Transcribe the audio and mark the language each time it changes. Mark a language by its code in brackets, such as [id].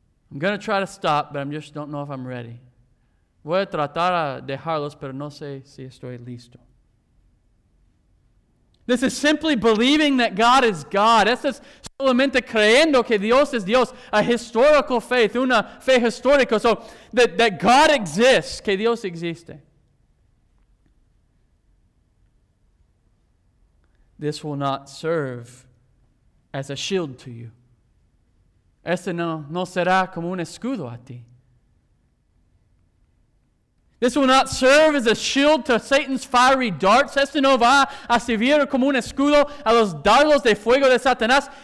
[en] I'm going to try to stop, but I just don't know if I'm ready. [es] Voy a tratar a dejarlos, pero no sé si estoy listo. [en] This is simply believing that God is God. [es] Eso es simplemente creyendo que Dios es Dios, [en] a historical faith, [es] una fe histórica, [en] so that God exists, [es] que Dios existe. [en] This will not serve as a shield to you. [es] Este no será como un escudo a ti. [en] This will not serve as a shield to Satan's fiery darts. [es] Este no va a servir como un escudo a los dardos de fuego de Satanás.